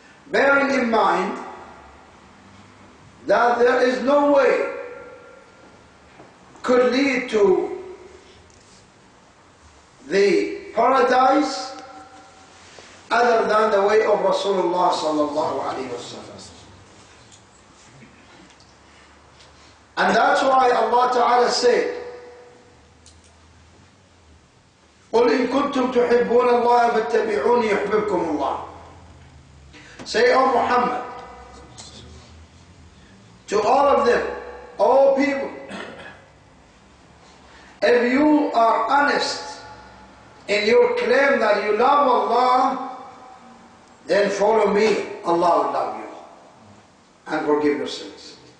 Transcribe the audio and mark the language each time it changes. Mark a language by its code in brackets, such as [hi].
[en] Bearing in mind that there is no way could lead to the paradise other than the way of Rasulullah sallallahu alayhi wa sallam. And that's why Allah Ta'ala said, [ar] قُلْ إِن كُنْتُمْ تُحِبُّونَ اللَّهَ فَاتَّبِعُونِ يُحْبِبْكُمُ اللَّهِ. [en] Say, O Muhammad, to all of them, all people, if you are honest in your claim that you love Allah, then follow me, Allah will love you and forgive your sins.